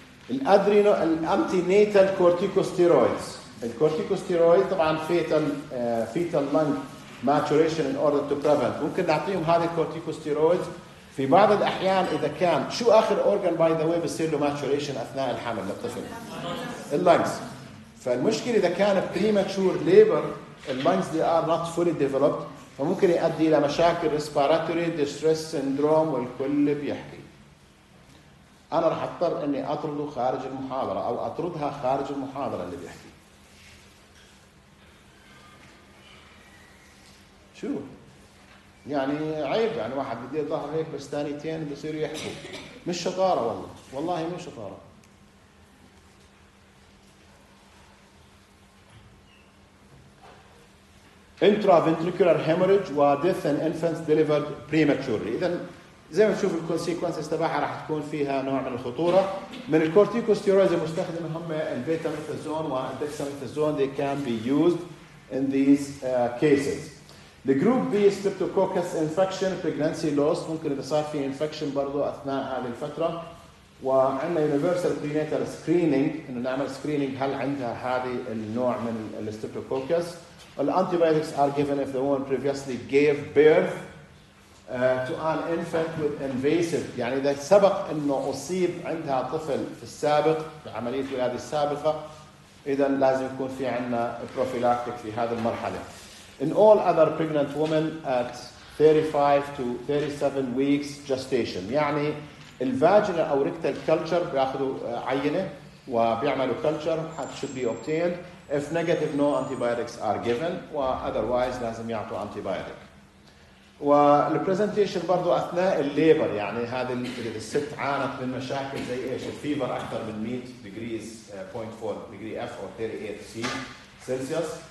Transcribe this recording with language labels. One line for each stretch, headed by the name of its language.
Arabic: الأدرينو الأنتينيتال كورتيكوستيرويدز. الكورتيكوستيرويد طبعا
English: fetal lung maturation in order to prevent.
Arabic: ممكن نعطيهم هذه الكورتيكوستيرويدز في بعض الأحيان إذا كان شو آخر organ
English: by the way
Arabic: بيصير له maturation أثناء الحمل للطفل اللنجز فالمشكلة إذا كان premature labor اللنجز
English: they are not fully developed
Arabic: فممكن يؤدي إلى مشاكل respiratory distress syndrome والكل بيحكي أنا رح أضطر إني أطرده خارج المحاضرة أو أطردها خارج المحاضرة اللي بيحكي. شو؟ يعني عيب، يعني واحد بدي يظهر هيك بس ثانيتين بصير يحكوا. مش شطارة والله، والله مش شطارة.
English: Intraventricular hemorrhage and death in infants delivered prematurely.
Arabic: إذا زي ما تشوف الكونسيكونسز تبعها راح تكون فيها نوع من الخطورة. من الكورتيكوستيرويدز المستخدمة هم البيتاميثازون والدكساميثازون.
English: They can be used in these cases. The group B streptococcus infection, pregnancy loss.
Arabic: ممكن إذا صار في infection برضو أثناء هذه الفترة. وعندنا
English: universal prenatal screening،
Arabic: إنه نعمل screening هل عندها هذه النوع من الستريبتوكوكس.
English: The antibiotics are given if the woman previously gave birth to an infant with invasive.
Arabic: يعني إذا سبق إنه أصيب عندها طفل في السابق بعملية ولادة سابقة، إذا لازم يكون في عنا prophylactic في هذه المرحلة.
English: In all other pregnant women at 35 to 37 weeks gestation.
Arabic: يعني الفاجينا أو
English: rectal culture
Arabic: بياخذوا عينة وبيعملوا
English: culture should be obtained. If negative, no antibiotics are given. Otherwise,
Arabic: لازم يعطوا
English: antibiotic.
Arabic: والpresentation برضو أثناء الليبر، يعني هذه الست عانت من مشاكل زي إيش؟ الفيبر أكثر من
English: 100 degrees, 0.4 degree F or 38 C Celsius.